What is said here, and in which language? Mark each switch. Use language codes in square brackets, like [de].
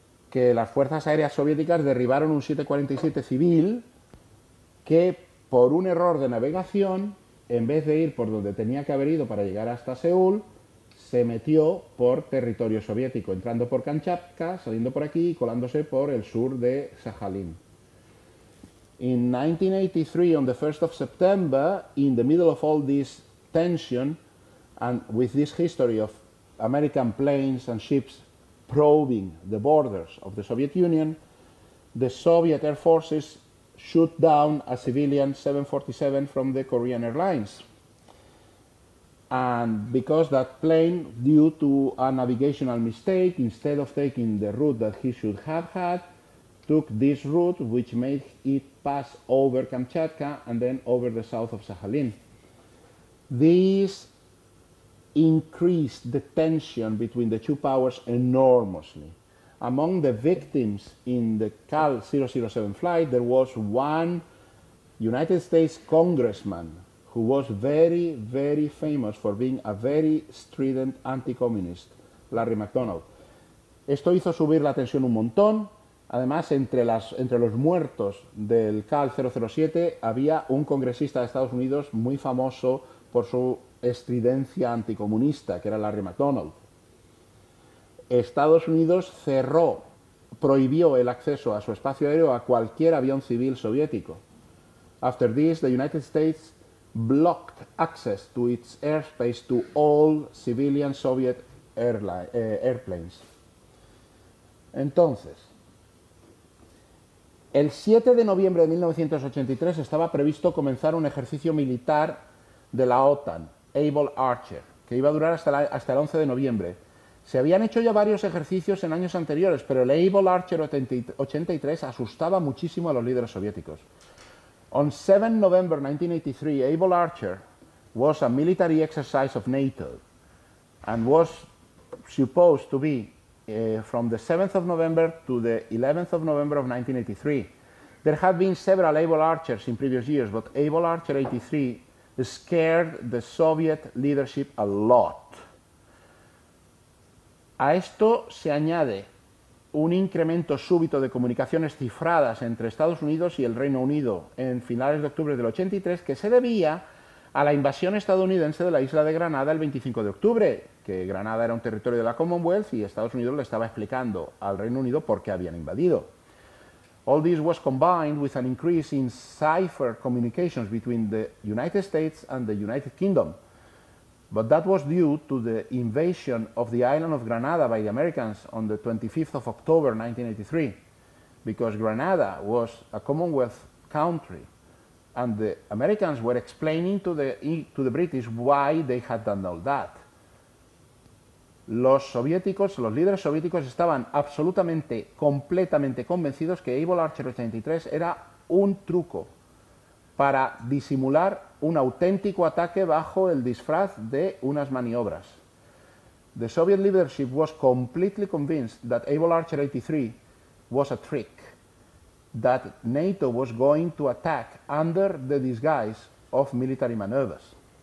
[es] Que las fuerzas aéreas soviéticas derribaron un 747 civil que, por un error de navegación, en vez de ir por donde tenía que haber ido para llegar hasta Seúl, se metió por territorio soviético, entrando por Kamchatka, saliendo por aquí y colándose por el sur de Sajalín. [en] In 1983, on the 1st of September, in the middle of all this tension, and with this history of American planes and ships probing the borders of the Soviet Union, the Soviet Air Forces shoot down a civilian 747 from the Korean Airlines. And because that plane, due to a navigational mistake, instead of taking the route that he should have had, took this route, which made it pass over Kamchatka and then over the south of Sakhalin. This increased the tension between the two powers enormously. Among the victims in the KAL-007 flight, there was one United States congressman who was very, very famous for being a very strident anti-communist, Larry McDonald. [es] Esto hizo subir la tensión un montón, Además, entre los muertos del CAL 007 había un congresista de Estados Unidos muy famoso por su estridencia anticomunista, que era Larry McDonald. Estados Unidos prohibió el acceso a su espacio aéreo a cualquier avión civil soviético. [en] After this, the United States blocked access to its airspace to all civilian Soviet airplanes. [es] Entonces, el 7 de noviembre de 1983 estaba previsto comenzar un ejercicio militar de la OTAN, Able Archer, que iba a durar hasta el 11 de noviembre. Se habían hecho ya varios ejercicios en años anteriores, pero el Able Archer 83 asustaba muchísimo a los líderes soviéticos. [en] On 7 November 1983, Able Archer was a military exercise of NATO and was supposed to be from the 7th of November to the 11th of November of 1983. There had been several Able Archers in previous years, but Able Archer 83 scared the Soviet leadership a lot. [es] A esto se añade un incremento súbito de comunicaciones cifradas entre Estados Unidos y el Reino Unido en finales de octubre del 83, que se debía a la invasión estadounidense de la isla de Granada el 25 de octubre, que Granada era un territorio de la Commonwealth y Estados Unidos le estaba explicando al Reino Unido por qué habían invadido. [en] All this was combined with an increase in cipher communications between the United States and the United Kingdom. But that was due to the invasion of the island of Granada by the Americans on the 25th of October 1983, because Granada was a Commonwealth country, and the Americans were explaining to the British why they had done all that. [es] Los líderes soviéticos estaban absolutamente, completamente convencidos que Able Archer 83 era un truco para disimular un auténtico ataque bajo el disfraz de unas maniobras. [en] The Soviet leadership was completely convinced that Able Archer 83 was a trick, that NATO was going to attack under the disguise of military maneuvers.